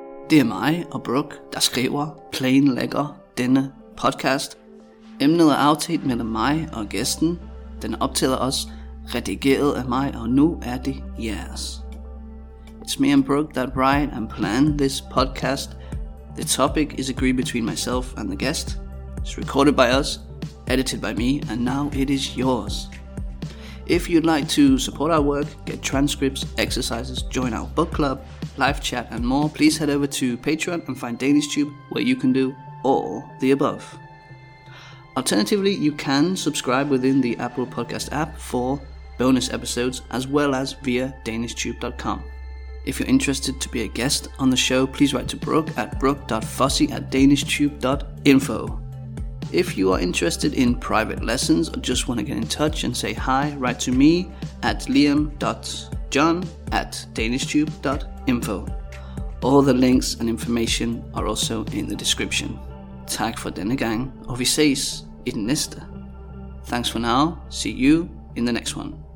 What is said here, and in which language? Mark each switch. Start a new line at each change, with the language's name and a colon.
Danish: Det er mig og Brooke, der skriver, planlægger denne podcast. Emnet er aftalt mellem mig og gæsten. Den er optaget også, redigeret af mig, og nu er det jeres.
English: It's me and Brooke that write and plan this podcast. The topic is agreed between myself and the guest. It's recorded by us, edited by me, and now it is yours. If you'd like to support our work, get transcripts, exercises, join our book club, live chat, and more, please head over to Patreon and find DanishTube, where you can do all the above. Alternatively, you can subscribe within the Apple Podcast app for bonus episodes, as well as via DanishTube.com. If you're interested to be a guest on the show, please write to Brooke at brooke.fossey@danishtube.info. If you are interested in private lessons or just want to get in touch and say hi, write to me at liam.john@danishtube.info. All the links and information are also in the description.
Danish: Tak for denne gang, og vi ses i den næste.
English: Thanks for now, see you in the next one.